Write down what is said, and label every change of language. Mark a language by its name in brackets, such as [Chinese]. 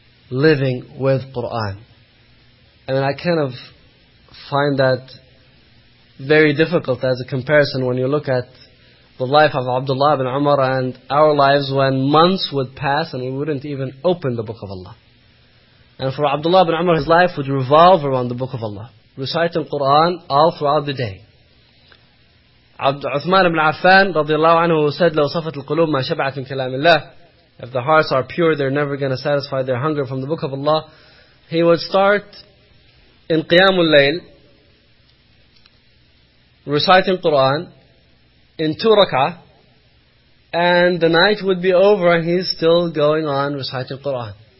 [English] Living with Qur'an. I mean, I kind of find that very difficult as a comparison when you look at the life of Abdullah ibn Umar and our lives, when months would pass and we wouldn't even open the book of Allah. And for Abdullah ibn Umar, his life would revolve around the book of Allah, reciting Qur'an all throughout the day. [Arabic] Uthman ibn Affan radiallahu anhu said, لَوْ صَفَتْ الْقُلُوبِ مَا شَبْعَتْ مِنْ كَلَامِ اللَّهِ. [English] If the hearts are pure, they're never going to satisfy their hunger from the book of Allah. He would start in Qiyam al-Layl, reciting Qur'an, in two rak'ah, and the night would be over and he's still going on reciting Qur'an.